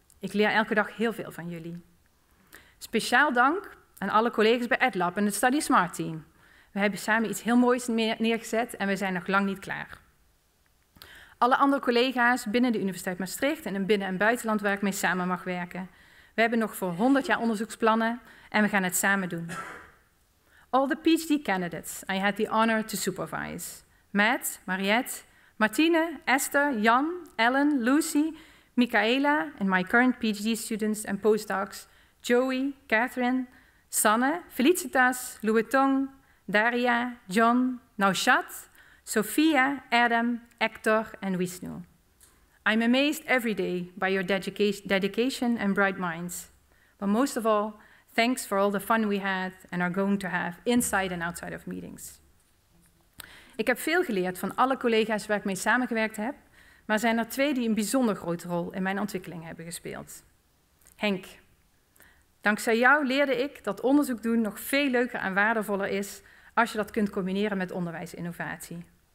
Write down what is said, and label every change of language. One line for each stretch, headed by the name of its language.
Dutch: Ik leer elke dag heel veel van jullie. Speciaal dank aan alle collega's bij EdLab en het Study Smart Team. We hebben samen iets heel moois neergezet en we zijn nog lang niet klaar. Alle andere collega's binnen de Universiteit Maastricht en in binnen- en buitenland waar ik mee samen mag werken. We hebben nog voor 100 jaar onderzoeksplannen en we gaan het samen doen.
English: All the PhD candidates, I had the honor to supervise. Matt, Mariette, Martine, Esther, Jan, Ellen, Lucy, Michaela and my current PhD students and postdocs, Joey, Catherine, Sanne, Felicitas, Louetong, Daria, John, Naushat, Sophia, Adam, Hector and Wisnu. I'm amazed every day by your dedication and bright minds. But most of all, thanks for all the fun we had and are going to have inside and outside of meetings.
Dutch: Ik heb veel geleerd van alle collega's waar ik mee samengewerkt heb, maar zijn er twee die een bijzonder grote rol in mijn ontwikkeling hebben gespeeld. Henk, dankzij jou leerde ik dat onderzoek doen nog veel leuker en waardevoller is als je dat kunt combineren met onderwijsinnovatie.